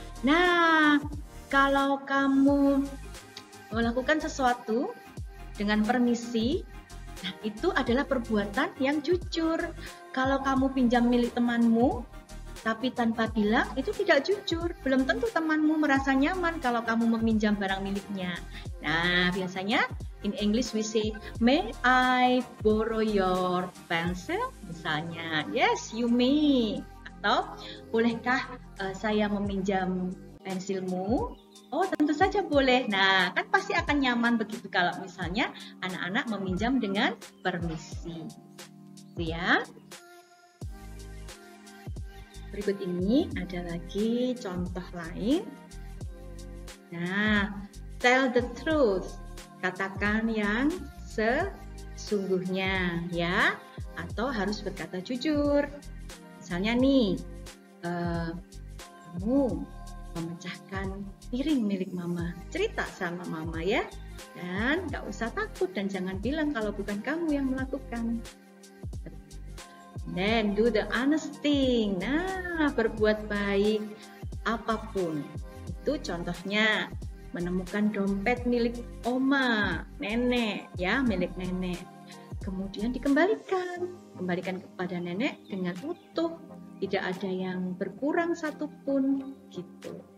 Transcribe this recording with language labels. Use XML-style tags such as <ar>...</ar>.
<id>Nah, kalau kamu melakukan sesuatu dengan permisi, nah itu adalah perbuatan yang jujur. Kalau kamu pinjam milik temanmu tapi tanpa bilang, itu tidak jujur. Belum tentu temanmu merasa nyaman kalau kamu meminjam barang miliknya. Nah, biasanya</id> <en>in English we say, may I borrow your pencil?</en> <id>Misalnya,</id> <en>yes, you may.</en> <id>Atau, bolehkah saya meminjam pensilmu? Oh, tentu saja boleh. Nah, kan pasti akan nyaman begitu kalau misalnya anak-anak meminjam dengan permisi. Itu ya. Berikut ini ada lagi contoh lain. Nah,</id> <en>tell the truth.</en> <id>Katakan yang sesungguhnya ya, atau harus berkata jujur. Misalnya nih, kamu memecahkan piring milik mama, cerita sama mama ya, dan gak usah takut dan jangan bilang kalau bukan kamu yang melakukan.</id> <en>Then do the honest thing.</en> <id>Nah, berbuat baik apapun. Itu contohnya menemukan dompet milik oma, nenek ya, milik nenek. Kemudian dikembalikan. Kembalikan kepada nenek dengan utuh. Tidak ada yang berkurang satupun gitu.</id>